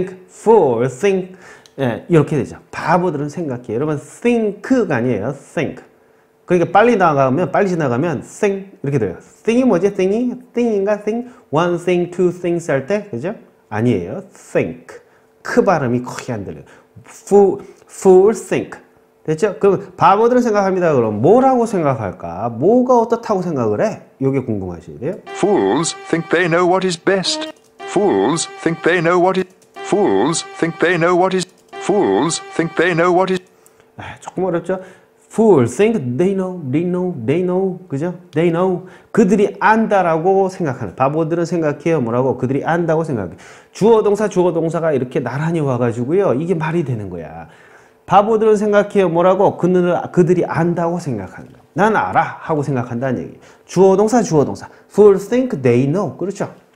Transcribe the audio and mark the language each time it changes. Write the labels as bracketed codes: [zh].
[en] Fools think [ko] 예, 이렇게 되죠. 바보들은 생각해. 여러분 think가 아니에요. [en] think. [ko] 그러니까 빨리 지나가면 think 이렇게 돼요. think이 뭐지? think인가? think one thing two things 할 때 그죠? 아니에요. think. 크 발음이 크게 안 들려요. [en] Fools think. [ko] 됐죠? 그럼 바보들은 생각합니다. 그럼 뭐라고 생각할까? 뭐가 어떻다고 생각을 해? 이게 궁금하시대요. [en] Fools think they know what is best. Fools think they know what is. Fools think they know what is. Fools think they know what is. [ko] 아, 조금 어렵죠? [en] Fools think they know, they know, they know, [ko] 그죠? [en] They know. [ko] 그들이 안다라고 생각하는. 바보들은 생각해요. 뭐라고? 그들이 안다고 생각해. 주어동사, 주어동사가 이렇게 나란히 와가지고요. 이게 말이 되는 거야. 바보들은 생각해요. 뭐라고? 그들이 안다고 생각한다. 난 알아 하고 생각한다는 얘기. 주어동사, 주어동사. [en] Fools think they know. [ko] 그렇죠?